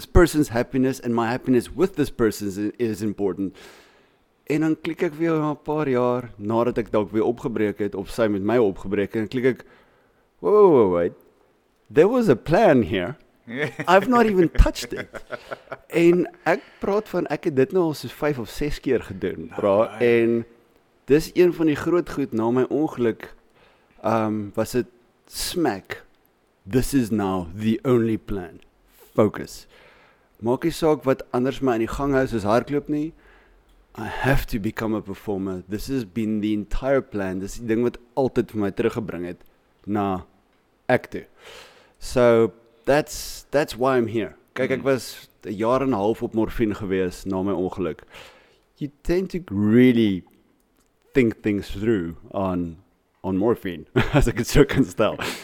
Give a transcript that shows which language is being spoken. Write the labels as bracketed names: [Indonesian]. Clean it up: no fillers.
[English] This person's happiness and my happiness with this person is important. [Afrikaans] En dan klik ek weer 'n paar jaar nadat ek dalk weer opgebreek het of sy met my opgebreek het, en klik ek wait. [English] There was a plan here. I've not even touched it. [Afrikaans] En ek praat van, ek het dit nou al soos 5 of 6 keer gedoen, bra, en dis een van die groot goed na my ongeluk, was het smack. [English] This is now the only plan. Focus. [Afrikaans] Maak nie saak wat anders my in die gang hou soos hardloop nie. [English] I have to become a performer. This has been the entire plan. [Afrikaans] Dis die ding wat altyd vir my teruggebring het na ek toe. [English] So, That's why I'm here. [Afrikaans] Kijk, ek was 1.5 jaar op morfine gewees na my ongeluk. [English] You tend to really think things through on morfine, [Afrikaans] as ek het so kan stel.